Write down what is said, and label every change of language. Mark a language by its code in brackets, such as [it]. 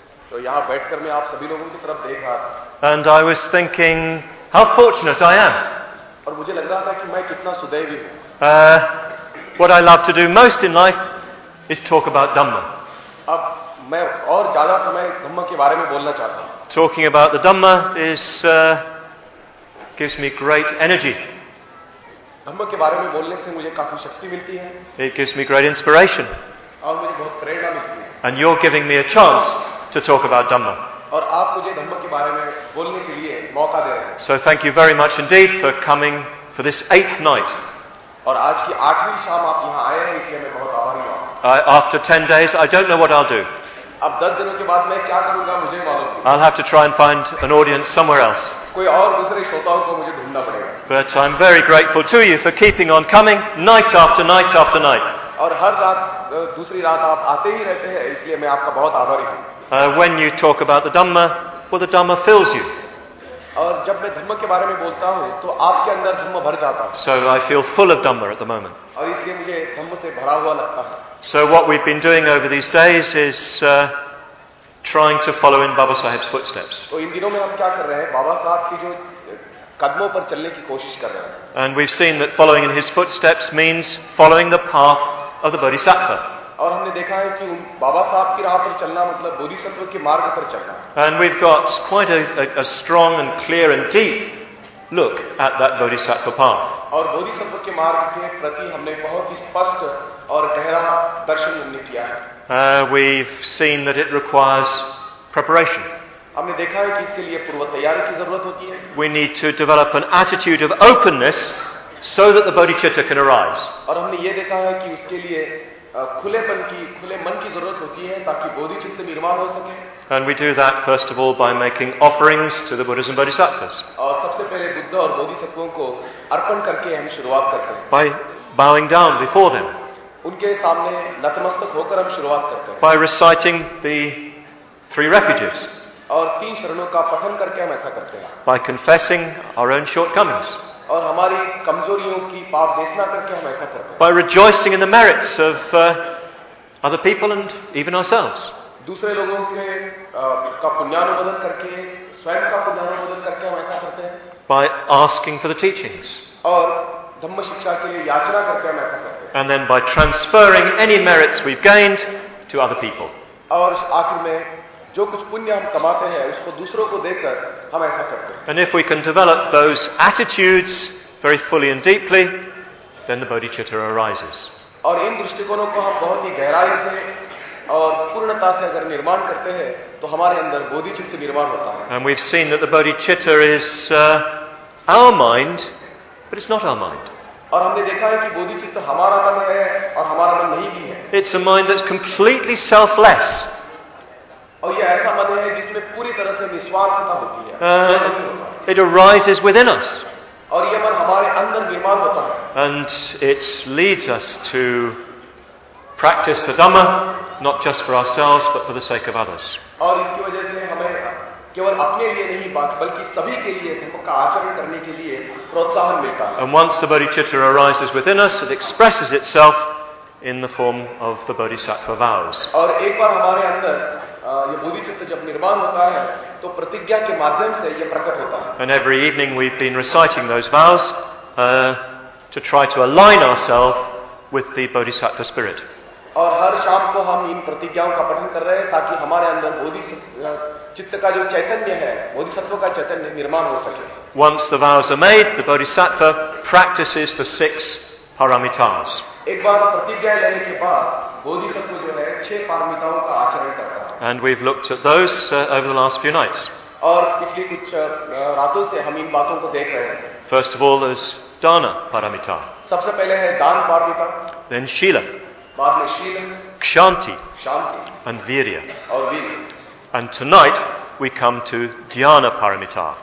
[hi] तो यहां बैठकर मैं आप सभी लोगों की तरफ देख रहा था, [en] and I was thinking how fortunate I am, [hi] और मुझे लग रहा था कि मैं कितना सुदैवी हूं। [en] What I love to do most in life is talk about dhamma. [hi] अब मैं और ज्यादा समय धम्म के बारे में बोलना चाहता हूं। [en] Talking about the Dhamma is gives me great energy. [hi] Dhamma के बारे में बोलने से मुझे काफी शक्ति मिलती है. [en] It gives me great inspiration. [hi] और मुझे बहुत प्रेरणा मिलती है. [en] And you're giving me a chance to talk about Dhamma. [hi] और आप मुझे धम्म के बारे में बोलने के लिए मौका दे रहे हैं. [en] So thank you very much indeed for coming for this eighth night. [hi] और आज की आठवीं शाम आप यहाँ आए हैं, इसलिए मैं बहुत आभारी हूँ. [en] After 10 days, I don't know what I'll do. [hi] अब 10 दिनों के बाद मैं क्या करूंगा मुझे मालूम नहीं। [en] I'll have to try and find an audience somewhere else. [hi] कोई और दूसरे श्रोताओं को मुझे ढूंढना पड़ेगा। [en] But I'm very grateful to you for keeping on coming night after night after night. [hi] और हर रात दूसरी रात आप आते ही रहते हैं, इसलिए मैं आपका बहुत आभारी हूँ। [en] When you talk about the Dhamma, well, the Dhamma fills you. [hi] और जब मैं धम्म के बारे में बोलता हूँ तो आपके अंदर धम्म भर जाता है। [en] So I feel full of Dhamma at the moment. [hi] और इसलिए मुझे धम्म से भरा हुआ लगता है। [en] So what we've been doing over these days is trying to follow in Baba Sahib's footsteps. [hi] तो इन दिनों में हम क्या कर रहे हैं? बाबा साहब की जो कदमों पर चलने की कोशिश कर रहे हैं। [en] And we've seen that following in his footsteps means following the path of the Bodhisattva. [hi] और हमने देखा है कि बाबा साहब की राह पर चलना मतलब बोधिसत्व के मार्ग पर चलना। [en] And we've got quite a strong and clear and deep look at that Bodhisattva path. [hi] और बोधिसत्व के मार्ग के प्रति हमने बहुत ही स्पष्ट और गहरा दर्शन हमने किया है। [en] We've seen that it requires preparation. [hi] हमने देखा है कि इसके लिए पूर्व तैयारी की जरूरत होती है। [en] We need to develop an attitude of openness so that the bodhicitta can arise. [hi] और हमने ये देखा है कि उसके लिए खुलेपन की, खुले मन की जरूरत होती है ताकि बोधिचित्त निर्माण हो सके। [en] And we do that first of all by making offerings to the Buddhas and Bodhisattvas. [hi] और सबसे पहले बुद्ध और बोधिसत्वों को अर्पण करके हम शुरुआत करते हैं। [en] By bowing down before them. [hi] उनके सामने नतमस्तक होकर हम शुरुआत करते हैं। [en] By reciting the three refuges. [hi] और तीन शरणों का पठन करके हम ऐसा करते हैं। [en] By confessing our own shortcomings. [hi] और हमारी कमजोरियों की पाप देखना करके हम ऐसा करते हैं। [en] By rejoicing in the merits of other people and even ourselves. [hi] दूसरे लोगों के का पुण्यानुमोदन करके, स्वयं का पुण्यानुमोदन करके हम ऐसा करते हैं। [en] By asking for the teachings. [hi] और धम्म शिक्षा के लिए याचना करके हम ऐसा करते हैं। [en] And then by transferring any merits we've gained to other people. [hi] और आखिर में जो कुछ पुण्य हम कमाते हैं उसको दूसरों को देकर हम ऐसा करते हैं। [en] And if we can develop those attitudes very fully and deeply, then the bodhicitta arises. [hi] और इन दृष्टिकोणों को हम बहुत ही गहराई से और पूर्णता से अगर निर्माण करते हैं तो हमारे अंदर बोधिचित्त निर्माण होता है। [en] And we've seen that the bodhicitta is our mind, but it's not our mind. [hi] और हमने देखा है कि बोधिचित्त हमारा मन है और हमारा मन नहीं भी है। [en] It's a mind that's completely selfless. [hi] और यह ऐसा मन है जिसमें पूरी तरह से निस्वार्थता होती है। [en] It arises within us. [hi] और यह मन हमारे अंदर निर्माण होता है। [en] And it leads us to practice the Dhamma, not just for ourselves, but for the sake of others. [hi] और इसकी वजह से हमें केवल अपने लिए नहीं बल्कि सभी के लिए धर्म का आचरण करने के लिए प्रोत्साहन मिलता है। [en] And once the bodhicitta arises within us, it expresses itself in the form of the bodhisattva vows. [hi] और एक बार हमारे अंदर ये बोधिचित्त जब निर्माण होता है तो प्रतिज्ञा के माध्यम से ये प्रकट होता है। [en] And every evening we've been reciting those vows to try to align ourselves with the bodhisattva spirit. [hi] और हर शाम को हम इन प्रतिज्ञाओं का पठन कर रहे हैं ताकि हमारे अंदर बोधिचित्त का जो चैतन्य है, बोधिसत्व का चैतन्य निर्माण हो सके। [en] Once the vows are made, the bodhisattva practices the six paramitas. [hi] एक बार प्रतिज्ञा लेने के बाद बोधिसत्व जो है छह पारमिताओं का आचरण करता है। [en] And we've looked at those over the last few nights. [hi] और पिछली कुछ रातों से हम इन बातों को देख रहे हैं। [en] First of all is dana paramita. [hi] सबसे पहले है दान पारमिता। [en] Then shila. [hi] बाद में shila. [en] Kshanti. [hi] Shanti. [en] And virya. [hi] और वीर्य। [en] And tonight we come to dhyana paramita.